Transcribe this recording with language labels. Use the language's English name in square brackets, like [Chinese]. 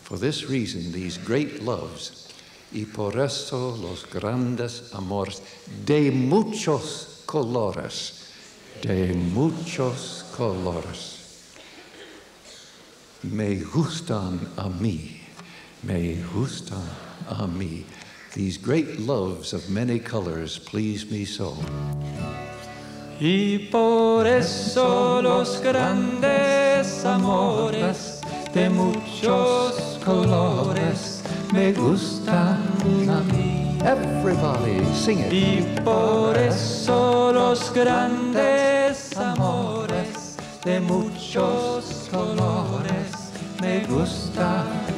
[English] For this reason, these great loves, [Spanish] y por eso los grandes amores, de muchos colores. Me gustan a mí, me gustan a mí. [English] These great loves of many colors please me so. [Spanish] Y por eso los grandes amores de muchos colores me gustan a mí. [English] Everybody sing it. [Spanish] Y por eso los grandes amores de muchos colores me gustan